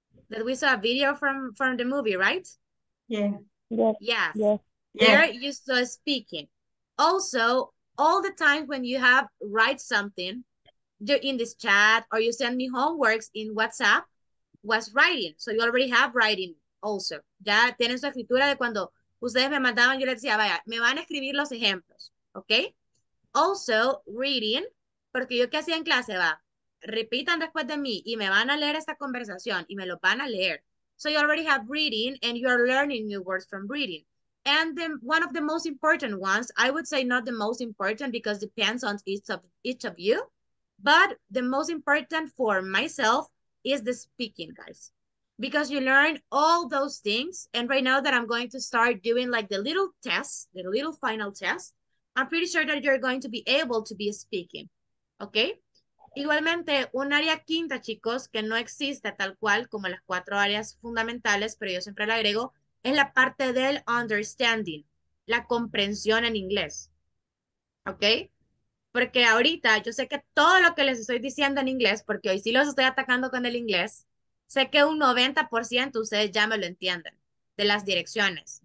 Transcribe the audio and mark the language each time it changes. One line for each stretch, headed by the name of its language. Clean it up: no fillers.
English: That we saw a video from the movie, right? Yeah. There you saw speaking. Also, all the times when you have write something, you're in this chat or you send me homeworks in WhatsApp, was writing. So you already have writing also.
Spanish: Ya tienen su escritura de cuando ustedes me mandaban, yo les decía, vaya, me van a escribir los ejemplos, okay?
English: Also, reading,
Spanish: porque yo qué hacía en clase, va, repitan después de mí y me van a leer esta conversación y me lo van a leer.
English: So you already have reading and you're learning new words from reading. And then one of the most important ones, I would say not the most important because it depends on each of you, but the most important for myself is the speaking, guys. Because you learn all those things, and right now that I'm going to start doing like the little tests, the little final test, I'm pretty sure that you're going to be able to be speaking, okay?
Spanish: Igualmente, un área quinta, chicos, que no existe tal cual como las cuatro áreas fundamentales, pero yo siempre la agrego, es la parte del understanding, la comprensión en inglés, okay? Porque ahorita yo sé que todo lo que les estoy diciendo en inglés, porque hoy sí los estoy atacando con el inglés, sé que un 90% ustedes ya me lo entienden, de las direcciones.